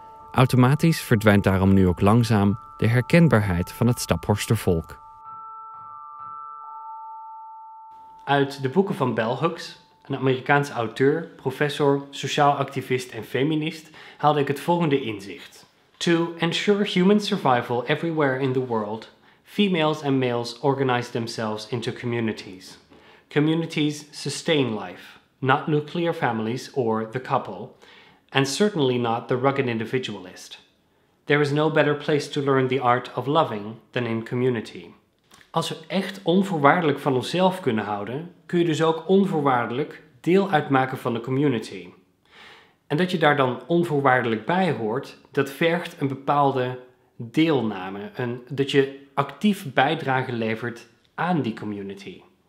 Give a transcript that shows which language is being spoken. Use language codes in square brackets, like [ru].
[nl] Automatisch verdwijnt daarom nu ook langzaam de herkenbaarheid van het Staphorster volk. Uit de boeken van Bell Hooks, een Amerikaans auteur, professor, sociaal activist en feminist, haalde ik het volgende inzicht. [en] To ensure human survival everywhere in the world, females and males organize themselves into communities. Communities sustain life, not nuclear families or the couple, and certainly not the rugged individualist. There is no better place to learn the art of loving than in community. [nl] Als we echt onvoorwaardelijk van onszelf kunnen houden, kun je dus ook onvoorwaardelijk deel uitmaken van de community. En dat je daar dan onvoorwaardelijk bij hoort, dat vergt een bepaalde deelname, dat je actief bijdrage levert aan die community.